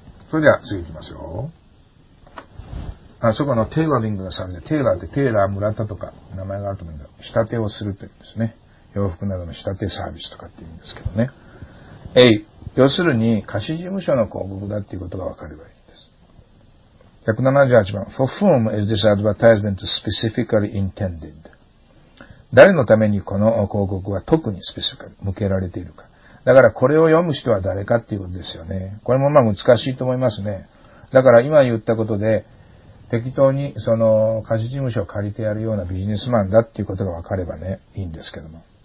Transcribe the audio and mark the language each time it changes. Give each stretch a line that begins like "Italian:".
Japanese: それでは次行きますよ。あそこのテーラリングのサービス、テーラーってテーラー村田とか名前があると思うんだけど、仕立てをするって言うんですね。洋服などの仕立てサービスとかって言うんですけどね。A、要するに貸し事務所の広告だっていうことが分かればいいんです。
English: 178番、For whom is this advertisement specifically intended?
Japanese: 誰のためにこの広告は特にスペシフィカル、向けられているか。だからこれを読む人は誰かっていうことですよね。これもまあ難しいと思いますね。だから今言ったことで適当にその貸し事務所を借りてやるようなビジネスマンだっていうことが分かればね、いいんですけども。